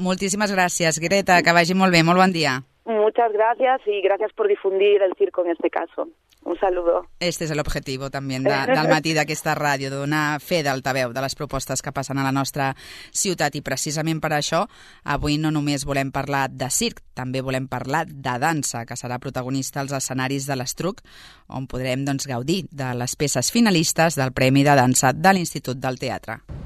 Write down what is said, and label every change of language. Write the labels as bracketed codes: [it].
[ca] Moltíssimes gràcies, Greta, que vagi molt bé, molt bon dia. [es] Muchas gracias y gracias por difundir el circo en este caso. Un saludo. [ca] Este és l'objectiu també del matí d'aquesta ràdio, de donar fe d'altaveu de les propostes que passen a la nostra ciutat. I precisament per això, avui no només volem parlar de circ, també volem parlar de dansa, que serà protagonista als escenaris de l'Estruc, on podrem doncs gaudir de les peces finalistes del Premi de Dansa de l'Institut del Teatre.